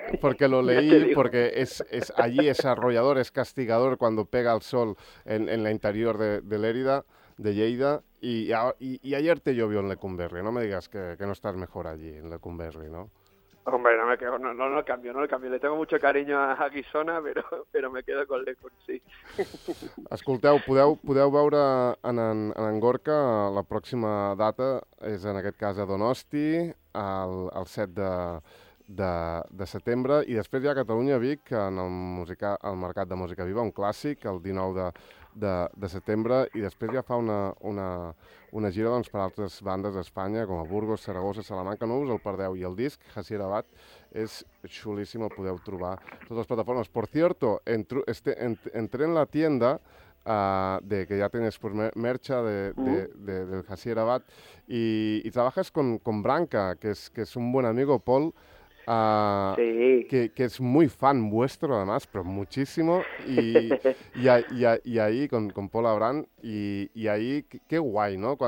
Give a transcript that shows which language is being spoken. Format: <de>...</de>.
<es>porque lo leí, porque es allí es arrollador, es castigador cuando pega el sol en el interior de Lérida, de Lleida, y ayer te llovió en Lecumberri, no me digas que no estás mejor allí, en Lecumberri, ¿no? Hombre, no me quedo, no lo cambio, no lo cambio. Le tengo mucho cariño a Guissona, però me quedo con Lecun, sí.</es> <ca>Escolteu, podeu veure en Gorka la pròxima data, és en aquest cas a Donosti, el 7 de setembre, i després hi ha Catalunya Vic, en el Mercat de Música Viva, un clàssic, el 19 de setembre, i després ja fa una gira doncs, per altres bandes d'Espanya, com a Burgos, Saragossa, Salamanca, no us el perdeu, i el disc, Hasier Abad, és xulíssim, el podeu trobar totes les plataformes.</ca> <es>Por cierto, entré en la tienda de que ya tienes pues, mercha del Hasier Abad y trabajas con Branca, que es un buen amigo, Paul, sí. que es muy fan vuestro además, pero muchísimo, y ahí con Paul Abraham, y ahí qué guay, ¿no?</es>